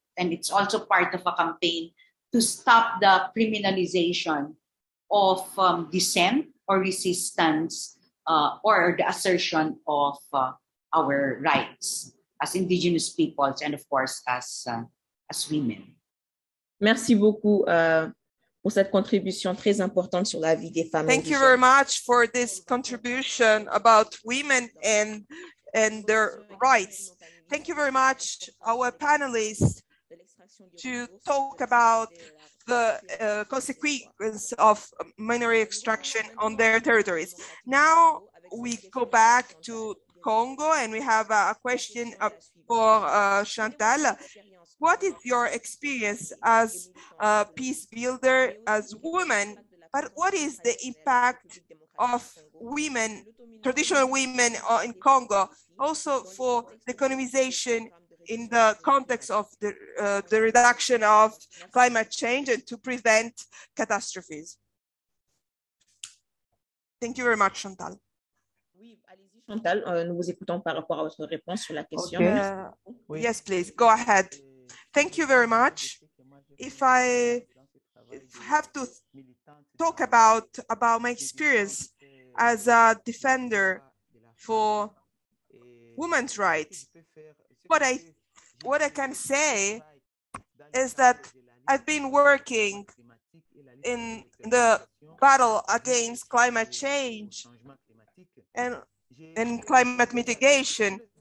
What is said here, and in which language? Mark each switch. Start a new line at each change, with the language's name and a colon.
English: And it's also part of a campaign to stop the criminalization of dissent or resistance or the assertion of our rights as indigenous peoples and of course as women.
French: Merci beaucoup pour cette contribution très importante sur la vie des femmes.
English: Thank you very much for this contribution about women and their rights. Thank you very much our panelists to talk about the consequence of minerals extraction on their territories. Now we go back to Congo and we have a question for Chantal. What is your experience as a peace builder, as woman, but what is the impact of women, traditional women in Congo, also for the economization in the context of the reduction of climate change and to prevent catastrophes? Thank you very much, Chantal.
French: Chantal, nous vous écoutons par rapport à votre réponse sur la question.
English: Okay. Yes, please, go ahead. Thank you very much. If I have to talk about my experience as a defender for women's rights, what I can say is that I've been working in the battle against climate change and climate mitigation.